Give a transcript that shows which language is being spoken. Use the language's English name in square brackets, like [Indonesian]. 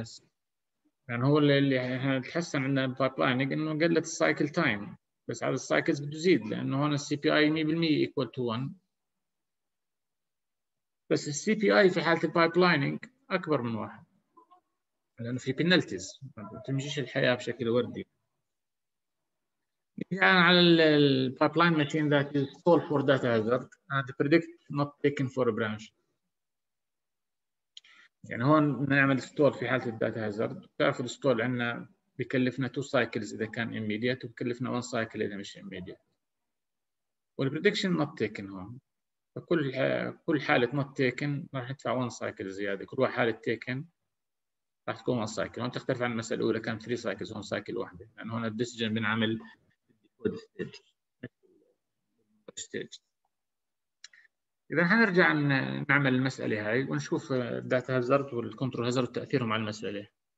[Arabic] بس يعني هو اللي احنا تحسن عندنا بايب لاينينج انه قلت السايكل تايم، بس على السايكلز بده يزيد لانه هون السي بي اي 100% ايكوال تو 1. بس السي بي اي في حاله البايب لاينينج اكبر من واحد لانه في بينالتيز، ما بتمشيش الحياه بشكل وردي. يعني على الـ [English] pipeline machine that is solved for data hazard and predict not taken for a branch. [Arabic] يعني هون نعمل stall في حالة الـ data hazard. بتعرف الـ stall عندنا بكلفنا [English] two cycles [Arabic] إذا كان immediate، وبكلفنا [English] one cycle [Arabic] إذا مش immediate. والـ prediction not taken هون. فكل كل حالة not taken راح يدفع [English] one cycle [Arabic] زيادة، كل واحد حالة taken راح تكون one cycle. هون تختلف عن المسألة الأولى كان three cycles هون cycle واحدة، لأن يعني هون الـ decision بنعمل إذا هنرجع نعمل المسألة هاي ونشوف الداتا هازارد والكنترول هازارد وتأثيرهم على المسألة.